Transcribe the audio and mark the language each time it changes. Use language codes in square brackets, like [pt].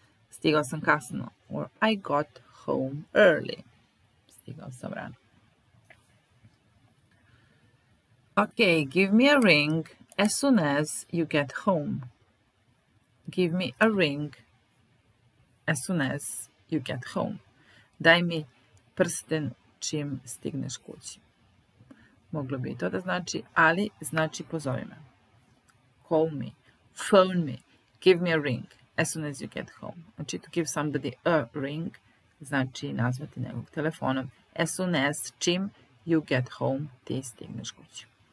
[sr] Stigao sam kasno. [en] Or I got home early. [sr] Stigao sam rano. [en] Okay, give me a ring as soon as you get home. Give me a ring as soon as you get home. [sr] Daj mi prsten čim stigneš kući. Moglo bi to da znači, ali znači pozovi me. [en] Call me, phone me, give me a ring as soon as you get home. Znači to give somebody a ring [sr] znači nazvati nekog telefonom [en] as soon as [sr] čim [en] you get home [sr] ti stigneš kući.